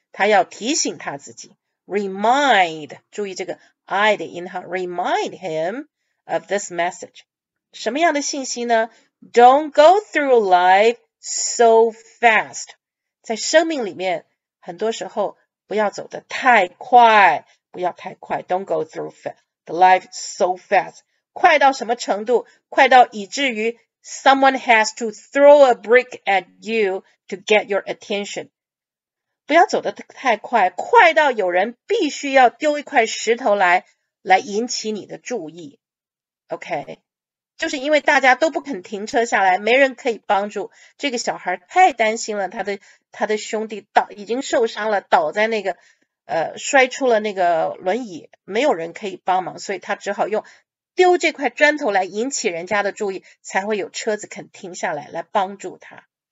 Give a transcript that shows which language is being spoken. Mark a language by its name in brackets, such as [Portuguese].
[Chinese] 他要提醒他自己 ，remind， 注意这个 I 的音哈 ， [English] remind him of this message。 [Chinese] 什么样的信息呢 [English] ？Don't go through life so fast。 [Chinese] 在生命里面，很多时候不要走得太快，不要太快。 [English] Don't go through life so fast， [Chinese] 快到什么程度？快到以至于 [English] someone has to throw a brick at you to get your attention。 [Chinese] 不要走得太快，快到有人必须要丢一块石头来引起你的注意。 OK， 就是因为大家都不肯停车下来，没人可以帮助这个小孩，太担心了，他的兄弟倒已经受伤了，倒在那个摔出了那个轮椅，没有人可以帮忙，所以他只好用丢这块砖头来引起人家的注意，才会有车子肯停下来帮助他。